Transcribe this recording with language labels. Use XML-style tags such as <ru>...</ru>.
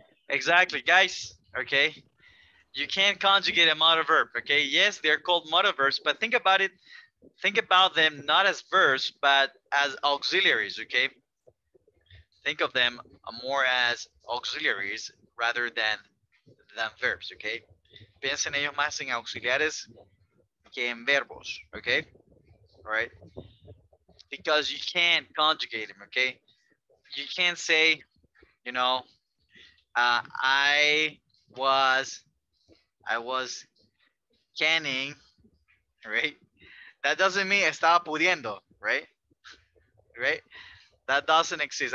<en>Exactly, guys. Okay. You can't conjugate a modal verb. Okay. Yes, they're called modal verbs, but think about it. Think about them not as verbs, but as auxiliaries, okay? Think of them more as auxiliaries rather than verbs, okay?</en> <es>piensen ellos más en auxiliares que en verbos, okay?</es> <en>All right? Because you can't conjugate them, okay? You can't say, you know, I was canning, right? That doesn't mean</en> <es>estaba pudiendo,</es> <en>right? Right? That doesn't exist.</en>